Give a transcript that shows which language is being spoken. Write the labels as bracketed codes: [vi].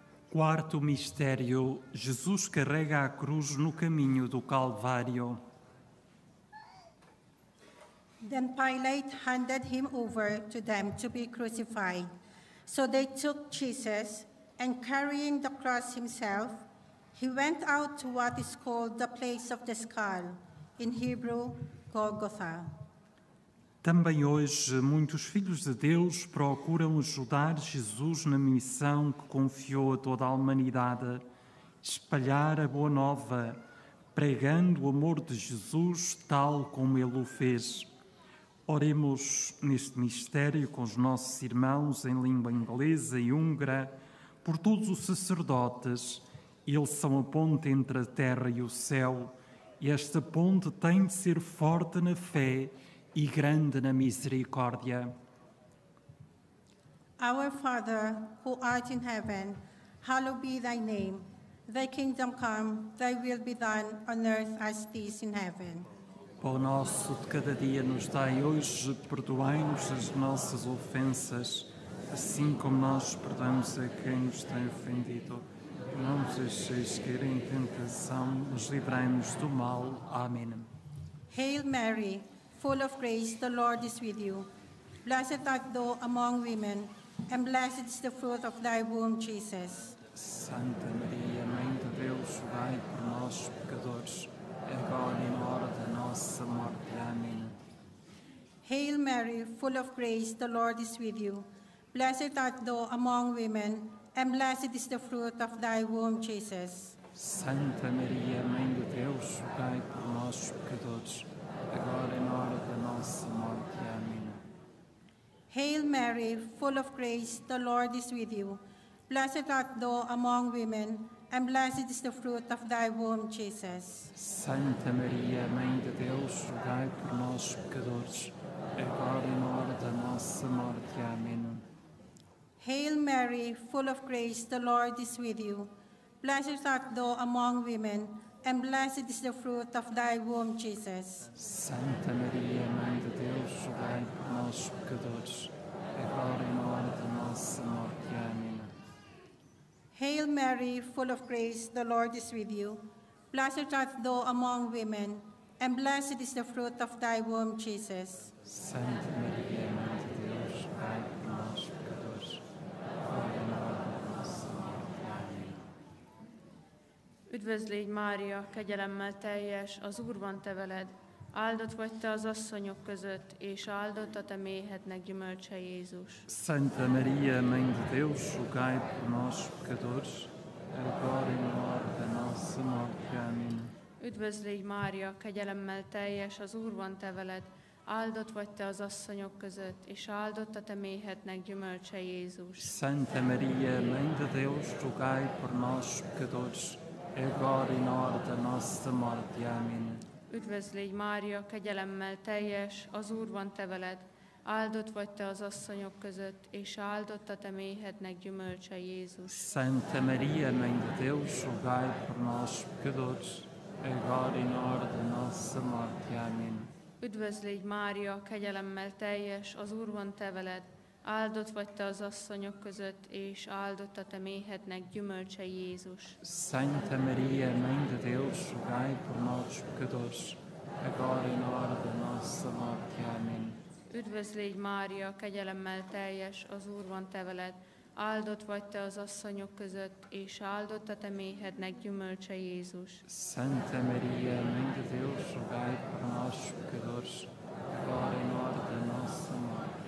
[pt] Quarto mistério: Jesus carrega a cruz no caminho do Calvário. [en] Then Pilate handed him over to them to be crucified. So they took Jesus, and carrying the cross himself, he went out to what is called the place of the skull, in Hebrew, Golgotha. [pt] Também hoje, muitos filhos de Deus procuram ajudar Jesus na missão que confiou a toda a humanidade, espalhar a boa nova, pregando o amor de Jesus tal como ele o fez. Oremos neste mistério com os nossos irmãos em língua inglesa e húngara, por todos os sacerdotes. Eles são a ponte entre a terra e o céu, e esta ponte tem de ser forte na fé e grande na misericórdia. [en] Our Father, who art in heaven, hallowed be thy name. Thy kingdom come, thy will be done on earth as it is in heaven. [pt] Pão nosso de cada dia nos dai hoje, perdoai-nos as nossas ofensas, assim como nós perdoamos a quem nos tem ofendido. Não nos deixeis cair em tentação, mas livrai-nos do mal. Amém. [en] Hail Mary, full of grace, the Lord is with you. Blessed art thou among women, and blessed is the fruit of thy womb, Jesus. [pt] Santa Maria, Mãe de Deus, rogai por nós, pecadores, agora e na hora da nossa morte. Amém. [en] Hail Mary, full of grace, the Lord is with you. Blessed art thou among women, and blessed is the fruit of thy womb, Jesus. [pt] Santa Maria, Mãe de Deus, rogai por nós, pecadores, agora e na hora da nossa morte. Amém. [en] Hail Mary, full of grace, the Lord is with you. Blessed art thou among women, and blessed is the fruit of thy womb, Jesus. [pt] Santa Maria, Mãe de Deus, rogai por nós, pecadores, agora e na hora da nossa morte. Amém. [en] Hail Mary, full of grace, the Lord is with you. Blessed art thou among women, and blessed is the fruit of thy womb, Jesus. [pt] Santa Maria, Mãe de Deus, rogai por nós. nós, pecadores, agora e na hora da nossa morte. Amém. [en] Hail Mary, full of grace, the Lord is with you. Blessed art thou among women, and blessed is the fruit of thy womb, Jesus. [pt] Santa Maria, Mãe de Deus, Pai de nós, pecadores, agora e na hora da nossa morte. Amém. [hu] Üdvözlégy, Mária, kegyelemmel teljes, az Úr van te veled. Áldott vagy te az asszonyok között, és áldott a te méhednek gyümölcse, Jézus. [pt] Santa Maria, Mãe de Deus, rogai por nós, pecadores, agora e na hora da nossa morte. Amém. [hu] Üdvözlégy, Mária, kegyelemmel teljes, az Úr van te veled. Áldott vagy te az asszonyok között, és áldott a te méhednek gyümölcse, Jézus. [pt] Santa Maria, Mãe de Deus, rogai por nós, pecadores, agora e na hora da nossa morte. Amém. [hu] Üdvözlégy, Mária, kegyelemmel teljes, az Úr van te veled. Áldott vagy te az asszonyok között, és áldott a te méhednek gyümölcse, Jézus. [pt] Santa Maria, Mãe de Deus, rogai por nós, pecadores, agora e na hora da nossa morte. Amém. [hu] Üdvözlégy, Mária, kegyelemmel teljes, az Úr van te veled. Áldott vagy te az asszonyok között, és áldott a te méhednek gyümölcse, Jézus. [pt] Santa Maria, Mãe de Deus, rogai por nós, pecadores, agora e na hora da nossa morte. Amém. [hu] Üdvözlégy, Mária, kegyelemmel teljes, az Úr van te veled. Áldott vagy te az asszonyok között, és áldott a te méhednek gyümölcse, Jézus. [pt] Santa Maria, Mãe de Deus, rogai por nós, pecadores, agora e na hora da nossa morte.